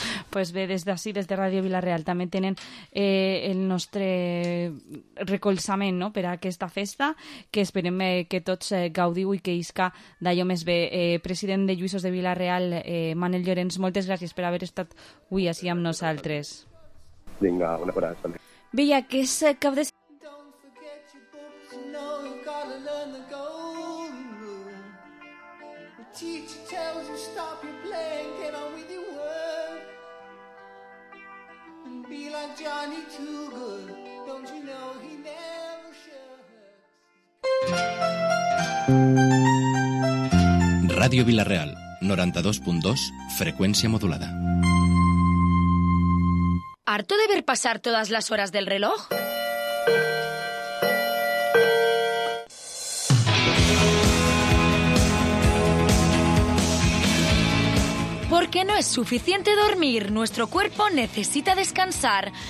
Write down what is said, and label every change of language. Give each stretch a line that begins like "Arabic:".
Catalan: Pues bé, des d'ací, des de Ràdio Vila-real, també tenen el nostre recolzament, no?, per a aquesta festa, que esperem que tots gaudiu i que isca d'allò més bé. President de Lluïsos de Vila-real, Manel Llorenç, moltes gràcies per haver estat avui ací amb nosaltres. Vinga, una abraçada. Veia que és cap de...
English: Don't forget your books, you know you gotta learn the golden rule. The teacher tells you stop your playing, get on with your work. And be like Johnny Too Good, don't you know he never shirks.
Catalan: Ràdio Vila-real, 92.2, freqüència modulada.
Spanish: ¿Harto de ver pasar todas las horas del reloj? Porque no es suficiente dormir, nuestro cuerpo necesita descansar.